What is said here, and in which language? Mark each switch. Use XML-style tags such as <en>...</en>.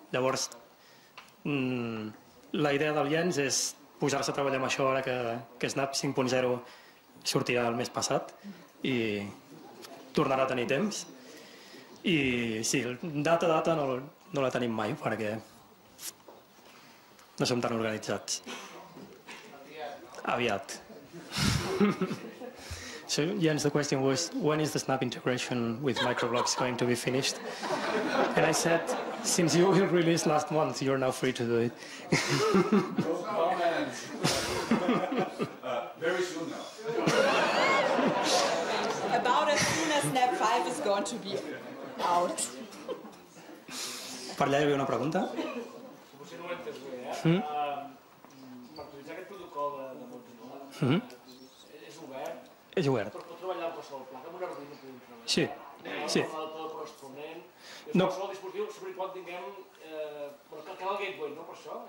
<ca>Llavors, la idea del Jens és posar-se a treballar amb això ara que Snap 5.0 sortirà el mes passat i tornarà a tenir temps. I sí, data no la tenim mai perquè no som tan organitzats. Aviat.</ca> <en>So, Jens, the question was, when is the Snap integration with Microblogs going to be finished? And I said, since you will release last month, you're now free to do it. Very soon now. About as soon as Snap 5 is going to be out.</en> <ca>Per allà hi havia una pregunta? Potser no ho entès bé, eh? Per utilitzar aquest protocol de Mozilla, és obert? És obert. Pot treballar amb qualsevol placa, amb una reunió que podem treballar? Sí, sí. Amb el tot corresponent, amb qualsevol dispositiu, sobre quan tinguem... Però cal el gateway, no per això?</ca>